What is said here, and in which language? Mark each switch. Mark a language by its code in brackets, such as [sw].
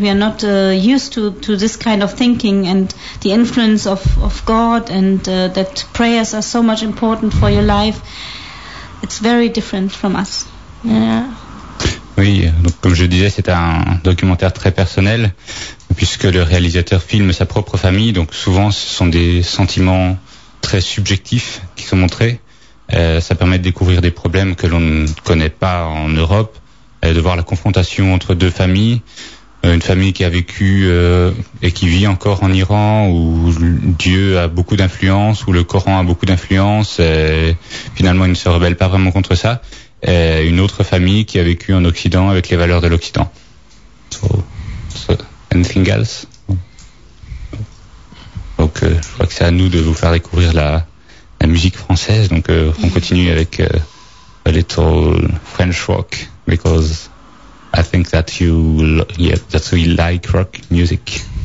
[en] We are not used to this kind of thinking and the influence of God, and that prayers are so much important for your life. It's very different from us. [fr] Oui, donc comme je disais, c'est un documentaire très personnel, puisque le réalisateur filme sa propre famille, donc souvent ce sont des sentiments très subjectifs qui sont montrés. Ça permet de découvrir des problèmes que l'on ne connaît pas en Europe, de voir la confrontation entre deux familles, une famille qui a vécu et qui vit encore en Iran, où Dieu a beaucoup d'influence, où le Coran a beaucoup d'influence, et finalement il ne se rebelle pas vraiment contre ça. Et une autre famille qui a vécu en Occident avec les valeurs de l'Occident. [en] So anything else? [fr] Donc je crois que c'est à nous de vous faire découvrir la musique française. Donc on continue avec [en] a little French rock because I think that that we like rock music.